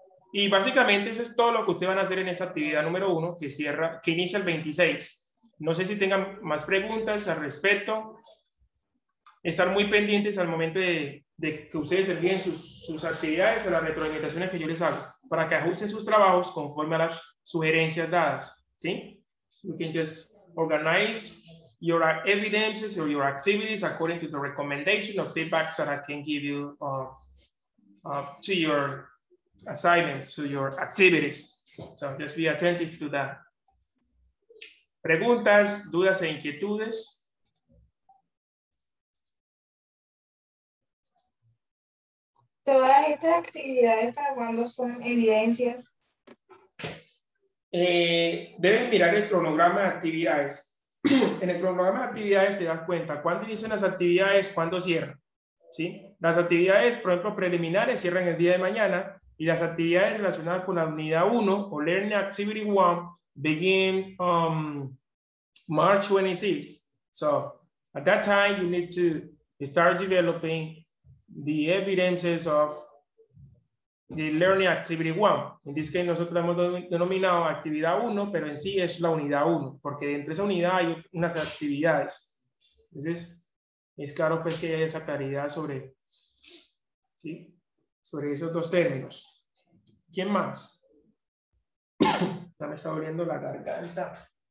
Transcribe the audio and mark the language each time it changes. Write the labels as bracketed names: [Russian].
[Spanish] Y básicamente, eso es todo lo que ustedes van a hacer en esa actividad número 1, que inicia el 26. No sé si tengan más preguntas al respecto. Estar muy pendientes al momento de que ustedes envíen sus actividades a las retroalimentaciones que yo les hago para que ajusten sus trabajos conforme a las sugerencias dadas, ¿sí? [English] You can just organize your evidences or your activities according to the recommendation or feedbacks that I can give you to your assignments, to your activities. So just be attentive to that. [Spanish] Preguntas, dudas e inquietudes. ¿Todas estas actividades para cuándo son evidencias? Debes mirar el cronograma de actividades. En el cronograma de actividades te das cuenta cuándo inician las actividades, cuándo cierran. ¿Sí? Las actividades, por ejemplo, preliminares cierran el día de mañana y las actividades relacionadas con la unidad 1 o Learning Activity 1 [English] begin March 26. So, at that time, you need to start developing the evidences of the learning activity 1. [Spanish] En este caso nosotros hemos denominado actividad 1, pero en sí es la unidad 1, porque dentro de esa unidad hay unas actividades. Entonces, es claro pues que hay esa claridad sobre, ¿sí? Sobre esos dos términos. ¿Quién más? Ya me está doliendo la garganta.